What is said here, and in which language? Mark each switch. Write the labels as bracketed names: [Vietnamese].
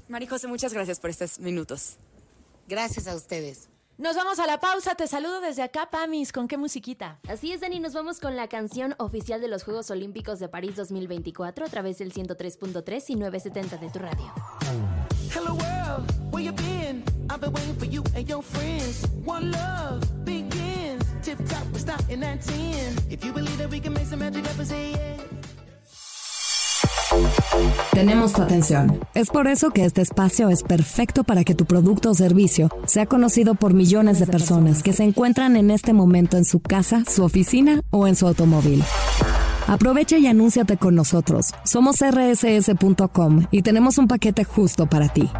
[Spanish] Mari José, muchas gracias por estos minutos. Gracias a ustedes. Nos vamos a la pausa. Te saludo desde acá, Pamis. ¿Con qué musiquita? Así es, Dani. Nos vamos con la canción oficial de los Juegos Olímpicos de París 2024 a través del 103.3 y 970 de tu radio. [English] Hello world, where you been? I've been waiting for you and your friends. One love begins. Tip top, we're starting at 10. If you believe that we can make some magic happen, say yeah. [Spanish] Tenemos tu atención. Es por eso que este espacio es perfecto para que tu producto o servicio sea conocido por millones de personas que se encuentran en este momento en su casa, su oficina o en su automóvil. Aprovecha y anúnciate con nosotros. Somos rss.com y tenemos un paquete justo para ti.